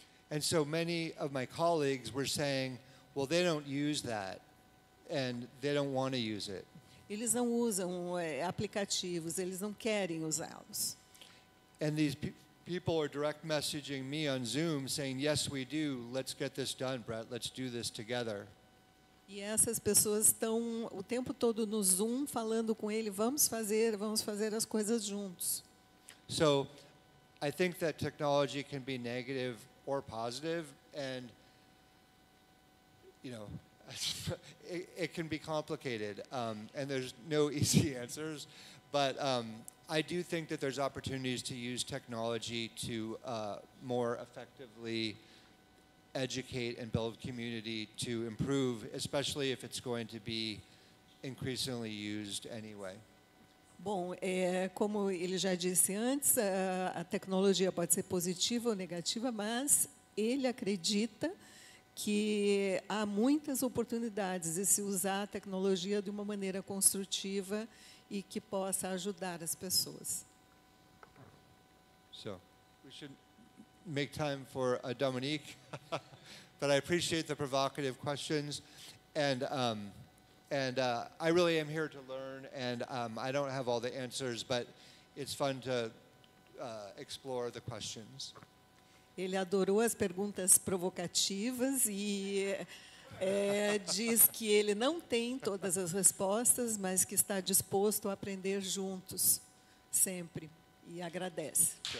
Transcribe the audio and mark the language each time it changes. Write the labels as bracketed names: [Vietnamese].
[English] And so many of my colleagues were saying, well, they don't use that, and they don't want to use it. [Portuguese] Eles não usam aplicativos, eles não querem usá-los. [English] And these people are direct messaging me on Zoom saying, yes, we do, let's get this done, Brett, let's do this together. [Portuguese] E essas pessoas estão o tempo todo no Zoom falando com ele, vamos fazer as coisas juntos. [English] So, I think that technology can be negative or positive, and, you know, it can be complicated, and there's no easy answers, but I do think that there's opportunities to use technology to more effectively educate and build community to improve, especially if it's going to be increasingly used anyway. [Portuguese] Bom, como ele já disse antes, a tecnologia pode ser positiva ou negativa, mas ele acredita que há muitas oportunidades de se usar a tecnologia de uma maneira construtiva e que possa ajudar as pessoas. [English] So, we should make time for a Dominique. But I appreciate the provocative questions, and I really am here to learn, and I don't have all the answers, but it's fun to explore the questions. [Portuguese] Ele adorou as perguntas provocativas e diz que ele não tem todas as respostas, mas que está disposto a aprender juntos, sempre, e agradece.